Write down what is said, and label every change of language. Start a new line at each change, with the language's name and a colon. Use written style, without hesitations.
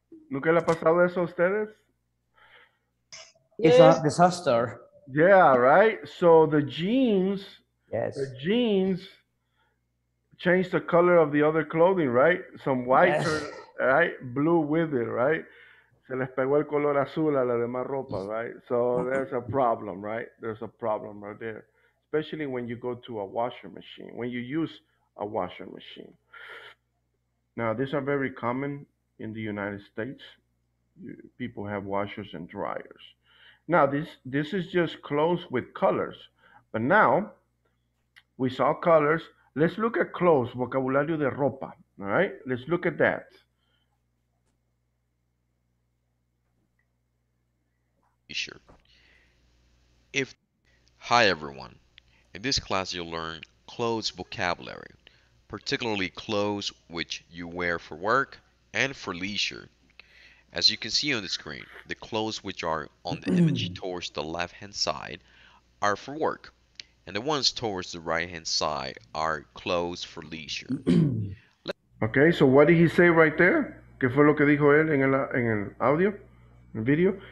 Spanish: ¿Nunca le ha pasado eso a ustedes?
English: It's a disaster. Yeah, right? So the jeans, yes, the jeans changed the color of the other clothing, right? Some white, yes, right? Blue with it, right?
Spanish: Se les pegó el color azul a la demás ropa, right?
English: So there's a problem, right? There's a problem right there. Especially when you go to a washing machine, when you use a washing machine. Now, these are very common in the United States. People have washers and dryers. Now, this is just clothes with colors. But now, we saw colors. Let's look at clothes,
Spanish: vocabulario de ropa.
English: All right? Let's look at that. T-shirt. If, hi, everyone. In this class, you'll learn clothes vocabulary, particularly clothes which you wear for work and for leisure. As you can see on the screen, the clothes which are on the image towards the left-hand side are for work, and the ones towards the right-hand side are clothes for leisure. Okay, so what did he say right there?
Spanish: ¿Qué fue lo que dijo él en el audio, en video?